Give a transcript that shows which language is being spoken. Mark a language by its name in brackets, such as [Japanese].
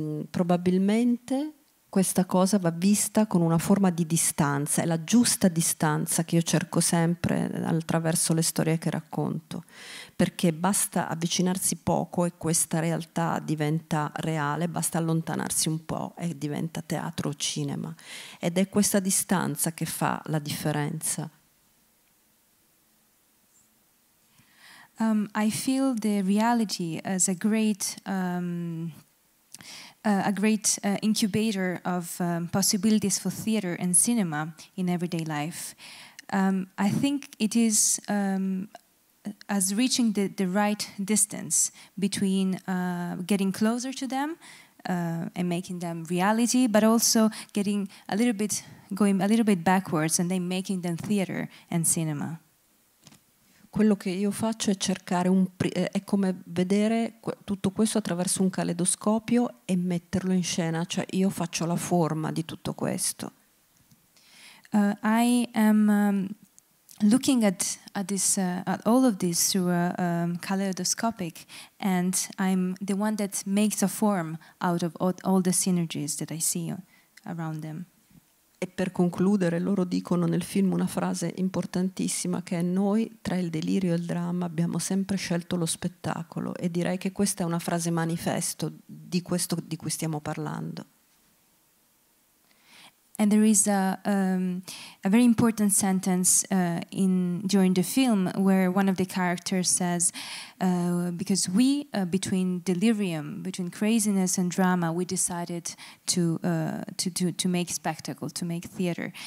[Italian] Probabilmente questa cosa va vista con una forma di distanza, è la giusta distanza che io cerco sempre attraverso le storie che racconto, perché basta avvicinarsi poco e questa realtà diventa reale, basta allontanarsi un po' e diventa teatro o cinema. Ed è questa distanza che fa la differenza. [English] I feel the reality as a great incubator of possibilities for theater and cinema in everyday life. I think it is as reaching the right distance between getting closer to them and making them reality, but also getting going a little bit backwards and then making them theater and cinema. [Italian] Quello che io faccio è cercare è come vedere tutto questo attraverso un caleidoscopio e metterlo in scena, cioè io faccio la forma di tutto questo. [English] I am looking at all of this through a caleidoscopic, and I'm the one that makes a form out of all the synergies that I see around them. [Italian] E per concludere, loro dicono nel film una frase importantissima, che è: noi tra il delirio e il dramma abbiamo sempre scelto lo spettacolo. E direi che questa è una frase manifesto di questo di cui stiamo parlando. [English] And there is a very important sentence during the film where one of the characters says, because we, between delirium, between craziness and drama, we decided to make spectacle, to make theater.